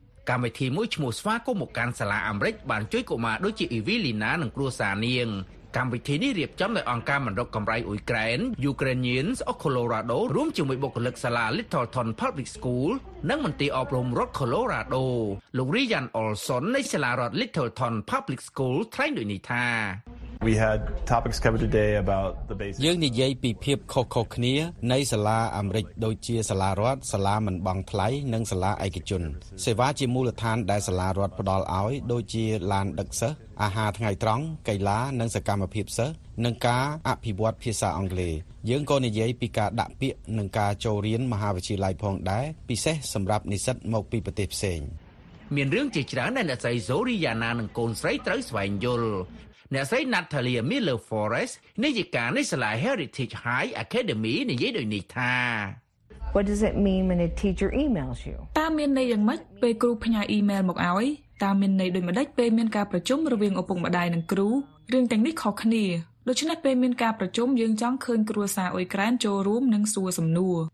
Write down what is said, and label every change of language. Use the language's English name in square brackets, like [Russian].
[Khmer] កម្មវិធីមួយឈ្មោះស្វាគមន៍មកកាន់សាលាអាមេរិកបានជួយកុមារដូចជាអ៊ីវីលីណានិងគ្រួសារនាងកម្មវិធីនេះរៀបចំដោយអង្គការមិនរកកម្រៃអ៊ុយក្រែន Ukrainians of Colorado រួមជាមួយបុគ្គលិកសាលា Littleton Public School និងមន្ទីរអប់រំរដ្ឋ Colorado លោក Ryan Olson នៃសាលារដ្ឋ Littleton Public School ថ្លែងដូចនេះថា [English] We had topics covered today about the basics. [Khmer] យើងនិយាយពីភាពខុសៗគ្នានៃសាលាអាមេរិកដូចជាសាលារដ្ឋសាលាមិនបង់ថ្លៃនិងសាលាឯកជនសេវាជាមូលដ្ឋានដែលសាលារដ្ឋផ្ដល់ឲ្យដូចជាឡានដឹកសិស្សអាហារថ្ងៃត្រង់កីឡានិងសកម្មភាពសិស្សនិងការអភិវឌ្ឍភាសាអង់គ្លេសយើងក៏និយាយពីការដាក់ពាក្យនិងការចូលរៀនមហាវិទ្យាល័យផងដែរពិសេសសម្រាប់និស្សិតមកពីប្រទេសផ្សេង មានរឿងជាច្រើនដែលអ្នកស្រី Zoriana និងកូនស្រីត្រូវស្វែងយល់អ្នកស្រី Natalia Miller Forest នាយិកានៃសាលា Heritage High Academy និយាយដូចនេះថា [English] What does it mean when a teacher emails you? [Khmer] តើមានន័យយ៉ាងម៉េចពេលគ្រូផ្ញើ email មកឲ្យ តើមានន័យដូចម្ដេចពេលមានការប្រជុំរវាងឪពុកម្ដាយនិងគ្រូរឿងទាំងនេះខុសគ្នាដូច្នេះពេលមានការប្រជុំយើងចង់ឃើញគ្រួសារអ៊ុយក្រែនចូលរួមនិងសួរសំណួរ